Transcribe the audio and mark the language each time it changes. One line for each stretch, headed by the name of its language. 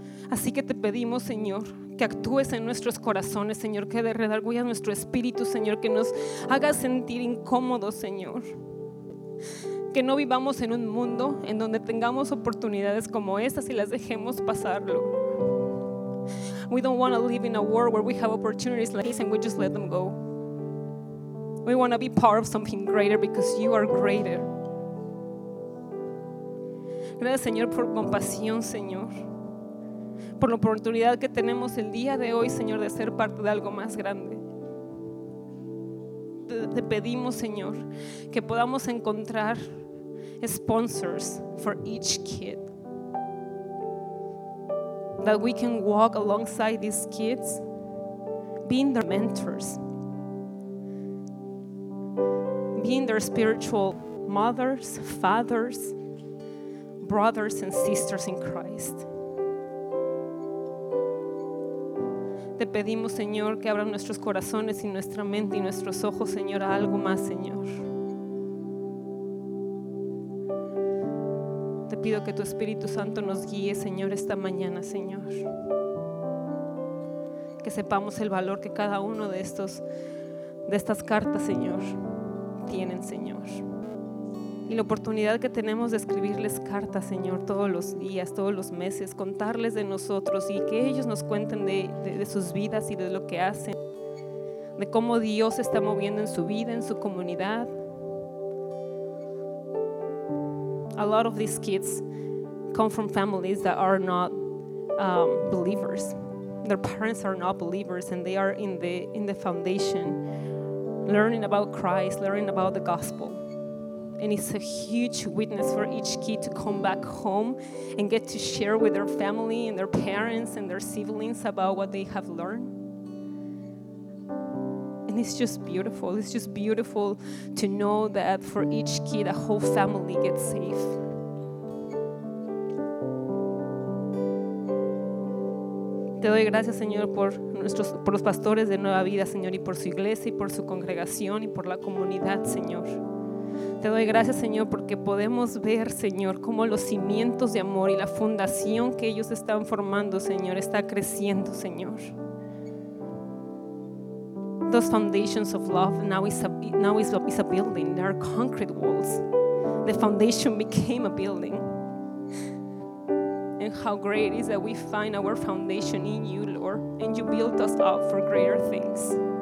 Spanish: Así que te pedimos, Señor, que actúes en nuestros corazones, Señor, que redargüeyas nuestro espíritu, Señor, que nos hagas sentir incómodos, Señor. Que no vivamos en un mundo en donde tengamos oportunidades como estas y las dejemos pasar, Lord.
English: We don't want to live in a world where we have opportunities like this and we just let them go. We want to be part of something greater because you are greater.
Spanish: Gracias, Señor, por compasión, Señor. Por la oportunidad que tenemos el día de hoy, Señor, de ser parte de algo más grande. Te pedimos, Señor, que podamos encontrar
English: sponsors for each kid, that we can walk alongside these kids, being their mentors, being their spiritual mothers, fathers, brothers and sisters in Christ.
Spanish: Te pedimos, Señor, que abran nuestros corazones y nuestra mente y nuestros ojos, Señor, a algo más, Señor. Pido que tu Espíritu Santo nos guíe, Señor, esta mañana, Señor. Que sepamos el valor que cada uno de estas cartas, Señor, tienen, Señor. Y la oportunidad que tenemos de escribirles cartas, Señor, todos los días, todos los meses, contarles de nosotros y que ellos nos cuenten de sus vidas y de lo que hacen, de cómo Dios se está moviendo en su vida, en su comunidad.
English: A lot of these kids come from families that are not believers. Their parents are not believers, and they are in the foundation, learning about Christ, learning about the gospel. And it's a huge witness for each kid to come back home and get to share with their family and their parents and their siblings about what they have learned. And it's just beautiful. It's just beautiful to know that for each kid, a whole family gets saved.
Spanish: Te doy gracias, Señor, por los pastores de Nueva Vida, Señor, y por su iglesia y por su congregación y por la comunidad, Señor. Te doy gracias, Señor, porque podemos ver, Señor, cómo los cimientos de amor y la fundación que ellos están formando, Señor, está creciendo, Señor.
English: those foundations of love, now it's a building. There are concrete walls. The foundation became a building. And how great is that we find our foundation in you, Lord, and you built us up for greater things.